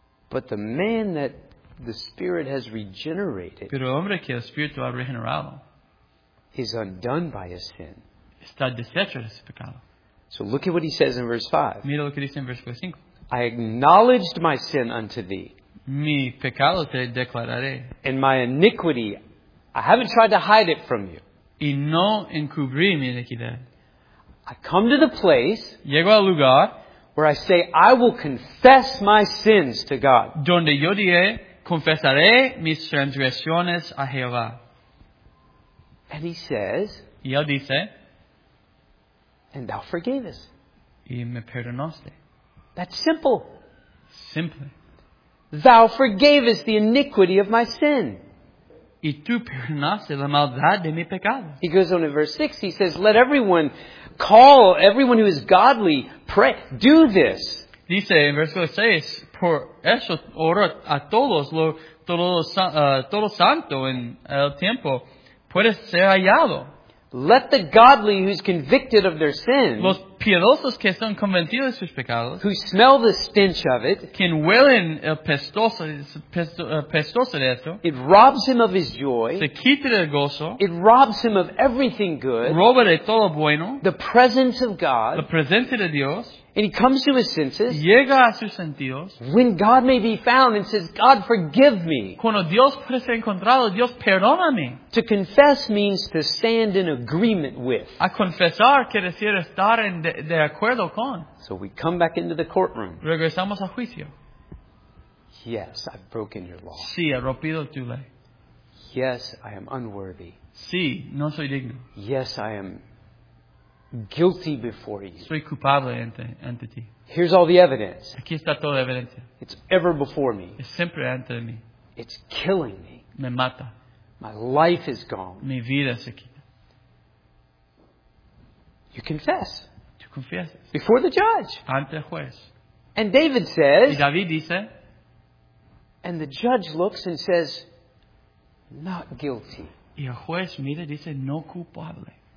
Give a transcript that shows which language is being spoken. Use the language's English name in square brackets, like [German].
[English] But the man that the Spirit has regenerated. [Spanish] Pero el hombre que el Espíritu ha regenerado. [English] Is undone by his sin. [Spanish] Está deshecho de su pecado. [English] So look at what he says in verse 5. [Spanish] Mira lo que dice en versículo 5. [English] I acknowledged my sin unto thee. [Spanish] Mi pecado te declararé. [English] And my iniquity, I haven't tried to hide it from you. [Spanish] Y no encubrí mi iniquidad. [English] I come to the place. [Spanish] Llego al lugar. [English] Where I say, I will confess my sins to God. [Spanish] Donde yo diré, confesaré mis transgresiones a Jehová. [English] And he says, [Spanish] y él dice, [English] and thou forgavest. [Spanish] Y me perdonaste. [English] That's simple. [Spanish] Simple. [English] Thou forgavest the iniquity of my sin. [Spanish] Y tú perdonaste la maldad de mi pecado. [English] He goes on in verse 6, he says, let everyone call everyone who is godly, pray, do this. [Spanish] Dice en versículo 6, por eso oro a todos, todo santo en el tiempo, puede ser hallado. [English] Let the godly who's convicted of their sins, [Spanish] los piadosos que son convencidos de sus pecados, [English] who smell the stench of it, [Spanish] quien huelen el pestoso, pestoso de esto, [English] it robs him of his joy, [Spanish] se quita del gozo, [English] it robs him of everything good, [Spanish] roba de todo bueno, [English] the presence of God, [Spanish] la presencia de Dios, [English] and he comes to his senses, [Spanish] llega a sus sentidos, [English] when God may be found and says, God, forgive me. [Spanish] Cuando Dios puede ser encontrado, Dios, perdóname. [English] To confess means to stand in agreement with. [Spanish] A confesar quiere decir estar en de acuerdo con. [English] So we come back into the courtroom. [Spanish] Regresamos a juicio. [English] Yes, I've broken your law. [Spanish] Sí, he rompido tu ley. [English] Yes, I am unworthy. [Spanish] Sí, no soy digno. [English] Yes, I am guilty before you. [Spanish] Soy culpable ante ti. [English] Here's all the evidence. [Spanish] Aquí está toda la evidencia. [English] It's ever before me. [Spanish] Es siempre ante mí. [English] It's killing me. [Spanish] Me mata. [English] My life is gone. [Spanish] Mi vida se quita. [English] You confess. [Spanish] Tú confiesas. [English] Before the judge. [Spanish] Ante el juez. [English] And David says. [Spanish] Y David dice. [English] And the judge looks and says, not guilty. [Spanish] Y el juez mira y dice, no culpable.